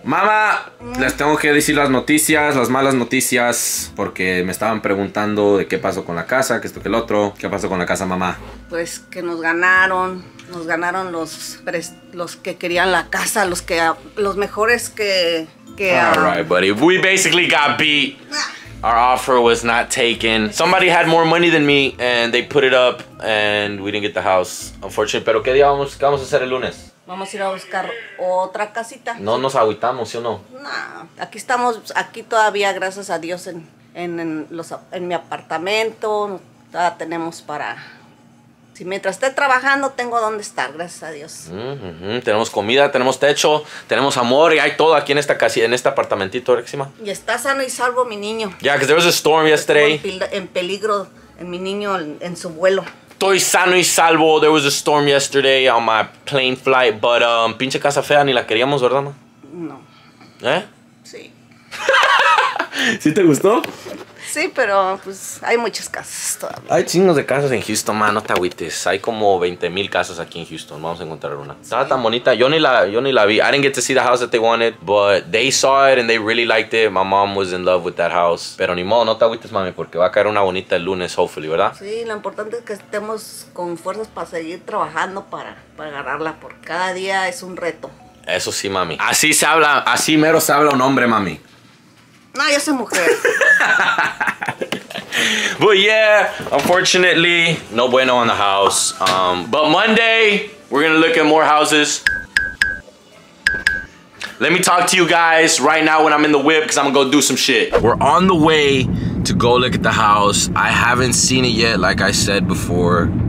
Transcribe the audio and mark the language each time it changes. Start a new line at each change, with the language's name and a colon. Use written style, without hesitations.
Spanish: Mama, les tengo que decir las noticias, las malas noticias, porque me estaban preguntando de qué pasó con la casa, que esto que el otro. ¿Qué pasó con la casa, mamá? Pues que nos ganaron. Nos ganaron los que querían la casa, los mejores que...
English: Alright, buddy. We basically got beat. Our offer was not taken. Somebody had more money than me, and they put it up, and we didn't get the house. Unfortunately.
Spanish: Pero, ¿qué día vamos a hacer el lunes? Vamos a ir a buscar otra casita. No nos agüitamos, ¿sí o no? No. Aquí estamos, aquí todavía, gracias a Dios, en mi apartamento. Todavía tenemos para... Si mientras esté trabajando, tengo donde estar, gracias a Dios. Tenemos comida, tenemos techo, tenemos amor, y hay todo aquí en esta casita, en este apartamentito, Réxima. Y está sano y salvo mi niño.
English: Yeah, because there was a storm yesterday.
Spanish: En peligro en mi niño en su vuelo. Estoy sano y salvo.
English: There was a storm yesterday on my plane flight, but
Spanish: pinche casa fea, ni la queríamos, ¿verdad, ma? No. ¿Eh? Sí. ¿Sí te gustó? Sí, pero pues hay muchas casas todavía. Hay chingos de casas en Houston, ma, no te agüites. Hay como 20,000 casas aquí en Houston. Vamos a encontrar una. Sí. Estaba tan bonita. Yo ni la vi.
English: I didn't get to see the house that they wanted, but they saw it and they really liked it. My mom was in love with that house.
Spanish: Pero ni modo, no te agüites, mami, porque va a caer una bonita el lunes, hopefully, ¿verdad? Sí, lo importante es que estemos con fuerzas para seguir trabajando para agarrarla, porque cada día es un reto. Eso sí, mami. Así se habla, así mero se habla un hombre, mami. No, yo soy mujer.
English: But yeah, unfortunately,
Spanish: no bueno
English: on the house. But Monday, we're gonna look at more houses. Let me talk to you guys right now when I'm in the whip, because I'm gonna go do some shit. We're on the way to go look at the house. I haven't seen it yet, like I said before.